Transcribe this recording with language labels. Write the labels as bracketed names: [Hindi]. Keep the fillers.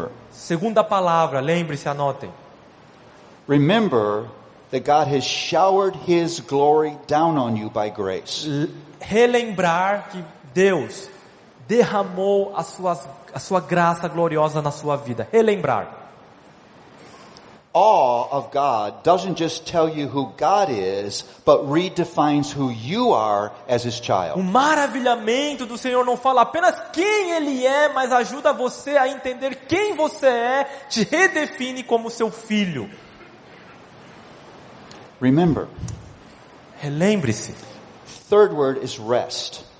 [Portuguese] Segunda palavra, lembre-se, anotem. [English] Remember that God has showered his glory down on you by grace. [Portuguese] Relembrar que Deus derramou a sua graça gloriosa na sua vida. Relembrar [English] awe of God doesn't just tell you who God is, but redefines who you are as his child. [Portuguese] O maravilhamento do Senhor não fala apenas quem ele é, mas ajuda você a entender quem você é, te redefine como seu filho. [English] Remember. [Portuguese] Relembre-se. [English] Third word is rest.